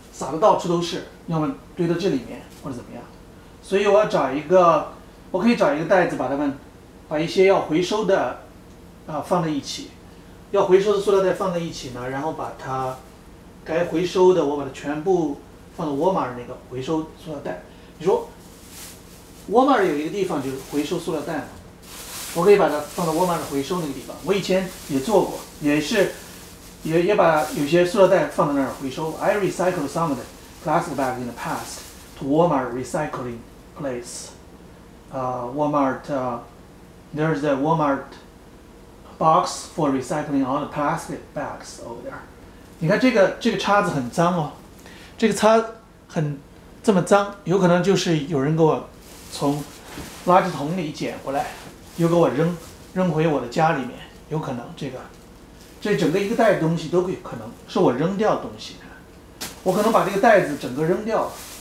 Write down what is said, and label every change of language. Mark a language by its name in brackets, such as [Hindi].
[Chinese] 的到处都是，要么堆到这里面或者怎么样，所以我要找一个，我可以找一个袋子把它们，把一些要回收的放在一起，要回收的塑料袋放在一起呢，然后把它该回收的我把它全部放到沃尔玛那个回收塑料袋。你说沃尔玛有一个地方就是回收塑料袋嘛，我可以把它放到沃尔玛的回收那个地方，我以前也做过，也是也把有些塑料袋放在那儿回收。 [English] I recycled some of the plastic bags in the past to Walmart recycling place. Walmart, there's a Walmart box for recycling all the plastic bags over there. [Chinese] 你看这个叉子很脏哦，这个叉很这么脏，有可能就是有人给我从垃圾桶里捡回来，又给我扔回我的家里面，有可能这个。这整个一个袋子东西都可能是我扔掉的东西，我可能把这个袋子整个扔掉了。